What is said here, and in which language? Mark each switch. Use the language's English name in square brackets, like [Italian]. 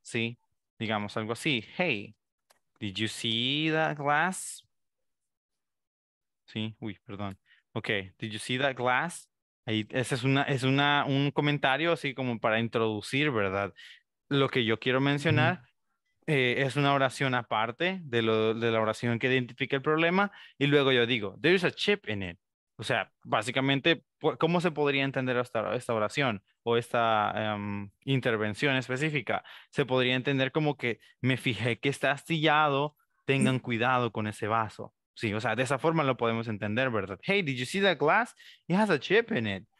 [Spanish] Sí, digamos algo así. [English] Hey, did you see that glass? [Spanish] Sí, uy, perdón. [English] Ok, did you see that glass? [Spanish] Ahí, ese es un comentario así como para introducir, ¿verdad? Lo que yo quiero mencionar. Mm-hmm. Es una oración aparte de la oración que identifica el problema. Y luego yo digo, [English] there is a chip in it. [Spanish] O sea, básicamente, ¿cómo se podría entender esta oración o esta intervención específica? Se podría entender como que me fijé que está astillado, tengan cuidado con ese vaso. Sí, o sea, de esa forma lo podemos entender, ¿verdad? [English] Hey, did you see that glass? It has a chip in it.